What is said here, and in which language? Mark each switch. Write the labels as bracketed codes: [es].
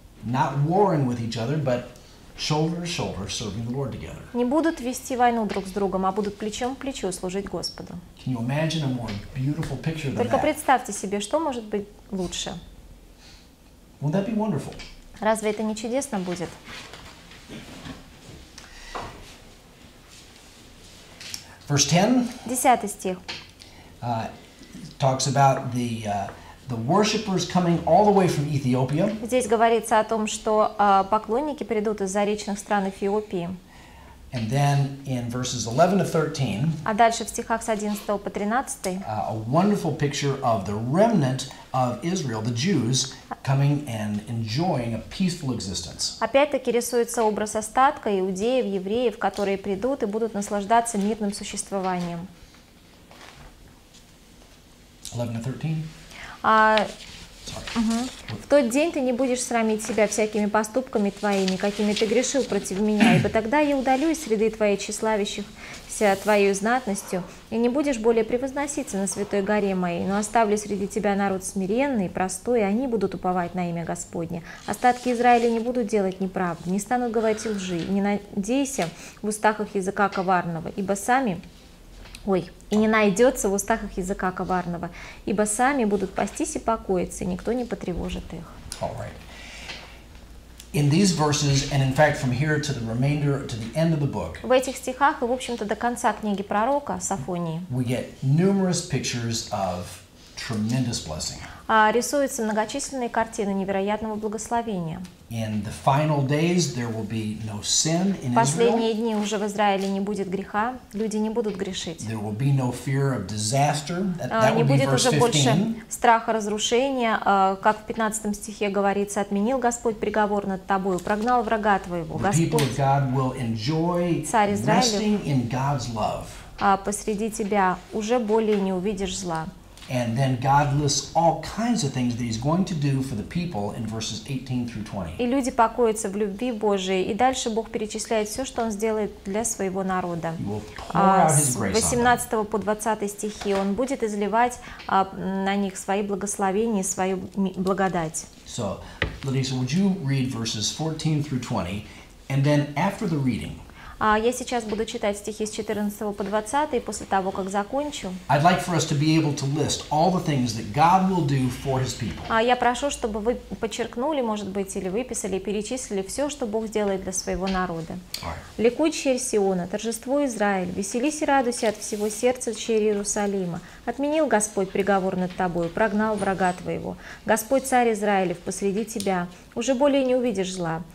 [en] Not warring with each other, but shoulder to shoulder serving the Lord together. [ru] Не будут вести войну друг с другом, а будут плечом к плечу служить Господу. [en] Can you imagine a more beautiful picture than [ru] Только [en] that? [ru] Представьте себе, что может быть лучше? [en] Won't that be wonderful? [ru] Разве это не чудесно будет? [en] Verse [ru] 10. 10 стих. [en] Talks about the worshippers coming all the way from Ethiopia. [ru] Здесь говорится о том, что поклонники придут из заречных стран Эфиопии. [en] And then in verses 11 to 13. [ru] А дальше в стихах с 11 по 13. [en] A wonderful picture of the remnant of Israel, the Jews, coming and enjoying a peaceful existence. [ru] Опять-таки рисуется образ остатка иудеев, евреев, которые придут и будут наслаждаться мирным существованием. 11-13. В тот день ты не будешь срамить себя всякими поступками твоими, какими ты грешил против меня, ибо тогда я удалю из среды твоей тщеславящихся твою знатностью, и не будешь более превозноситься на святой горе моей, но оставлю среди тебя народ смиренный, простой, и они будут уповать на имя Господне. Остатки Израиля не будут делать неправды, не станут говорить лжи, не надейся в устах их языка коварного, ибо сами... и не найдется в устах их языка коварного, ибо сами будут пастись и покоиться, и никто не потревожит их. [en] All right. In these verses, and in fact from here to the remainder, to the end of the book, [ru] в этих стихах и, в общем-то, до конца книги пророка Сафонии, [en] we get numerous pictures of tremendous blessing. [ru] Рисуются многочисленные картины невероятного благословения. [en] In the final days there will be no sin in Israel. [ru] В последние дни уже в Израиле не будет греха, люди не будут грешить. [en] There will be no fear of disaster. [ru] Не будет уже больше страха разрушения, как в 15 стихе говорится: отменил Господь приговор над тобою, прогнал врага твоего. [en] The people of God will enjoy resting in God's love. [ru] Посреди тебя уже более не увидишь зла. [en] And then God lists all kinds of things that He's going to do for the people in verses 18 through 20. [ru] И люди покоятся в любви Божией, и дальше Бог перечисляет все, что Он сделает для своего народа. С 18 по 20 стихи Он будет изливать на них свои благословения, свою благодать. [en] So, Ladisa, would you read verses 14 through 20, and then after the reading? [ru] Я сейчас буду читать стихи с 14 по 20, и после того, как закончу, [en] I'd like for us to be able to list all the things that God will do for His people. [ru] Я прошу, чтобы вы подчеркнули, может быть, или выписали, перечислили все, что Бог сделает для своего народа. [en] Right. [ru] Ликуй, черь Сиона, торжествуй, Израиль, веселись и радуйся от всего сердца, черь Иерусалима. Отменил Господь приговор над тобою, прогнал врага твоего. Господь, царь Израилев, посреди тебя, уже более не увидишь зла.